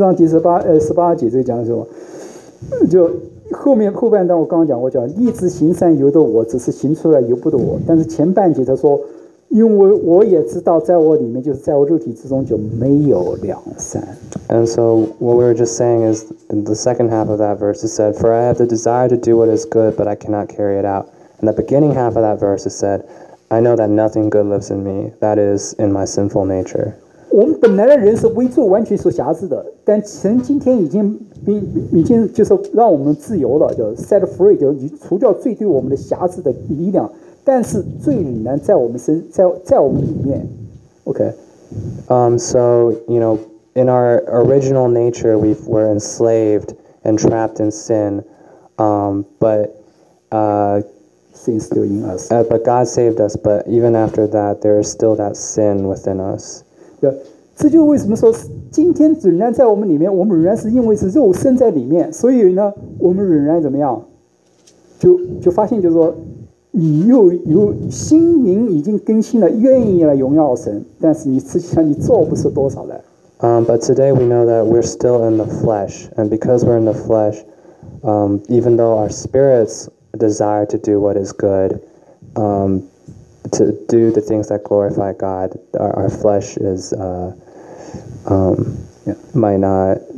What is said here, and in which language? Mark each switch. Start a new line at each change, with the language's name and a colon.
Chinese: 第七章第十八节这个讲的是什么？就后半段我刚刚讲过，叫立志行善由得我，只是行出来由不得我。但是前半节他说，因为我也知道在我里面，就是在我肉体之中就没有良善。
English: And so what we were just saying is in the second half of that verse it said, for I have the desire to do what is good, but I cannot carry it out. And the beginning half of that verse it said, I know that nothing good lives in me, that is in my sinful nature.
Chinese: 我们本来的人是微罪完全受辖制的，但神今天已经就是让我们自由了，就
English: set free,
Chinese: 就除掉罪对我们的辖制的力量。但是罪仍然在我们里面 okay.
English: So you know, in our original nature we were enslaved and trapped in sin, sin still in us, but God saved us, but even after that there is still that sin within us.
Chinese: 这就为什么说今天仍然在我们里面，我们仍然是因为是肉身在里面，所以呢我们仍然怎么样，就发现就是说你又心灵已经更新了，愿意来荣耀神，但是你实际上你做不出多少来。
English: But today we know that we're still in the flesh, and because we're in the flesh, even though our spirits desire to do what is good, to do the things that glorify God, our flesh is might not